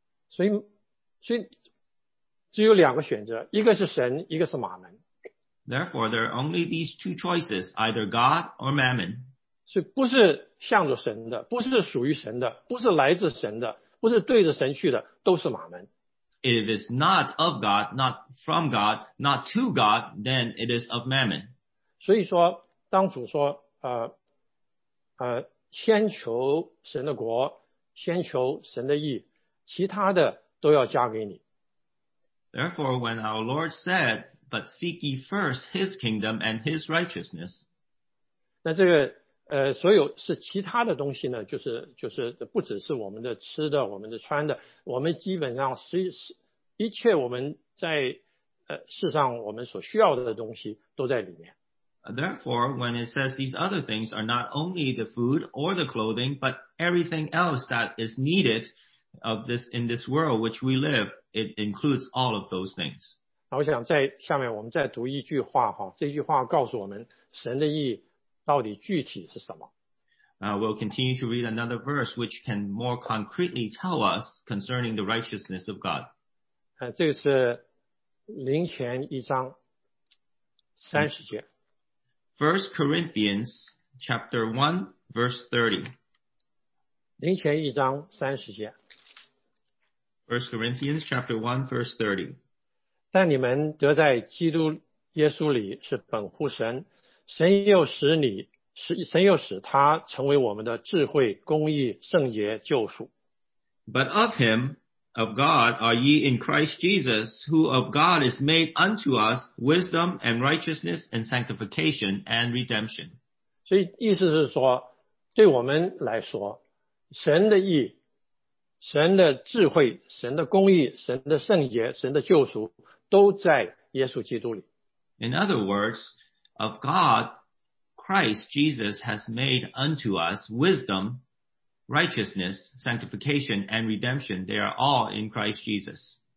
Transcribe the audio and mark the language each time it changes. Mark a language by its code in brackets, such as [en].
[zh] 所以只有两个选择，一个是神，一个是马门。 [en] Therefore, there are only these two choices, either God or mammon. [zh] 所以不是向着神的，不是属于神的，不是来自神的，不是对着神去的，都是马门。 [en] if it's not of God, not from God, not to God, then it is of mammon. [zh] 所以说当主说先求神的国，先求神的义，其他的都要加给你。 [en] Therefore, when our Lord said, but seek ye first his kingdom and his righteousness. [zh] 那这个所有是其他的东西呢，就是不只是我们的吃的，我们的穿的，我们基本上一切我们在世上我们所需要的东西都在里面。 [en] Therefore, when it says these other things are not only the food or the clothing, but everything else that is needed of this in this world which we live, it includes all of those things. [zh] 我想在下面我们再读一句话，这句话告诉我们神的义到底具体是什么。 [en] We'll continue to read another verse which can more concretely tell us concerning the righteousness of God. [zh] 这是林前一章三十节。 [en] First Corinthians chapter 1 verse 30. [zh] 林前一章三十节。 [en] First Corinthians chapter 1 verse 30. [zh] 但你们得在基督耶稣里是本乎神，神又使他成为我们的智慧、公义、圣洁、救赎。 [en] But of him, of God, are ye in Christ Jesus, who of God is made unto us wisdom and righteousness and sanctification and redemption. [zh] 所以意思是说，对我们来说，神的义、神的智慧、神的公义、神的圣洁、神的救赎，都在耶稣基督里。 [en] In other words,Of God, Christ Jesus has made unto us wisdom, righteousness, sanctification, and redemption. They are all in Christ Jesus.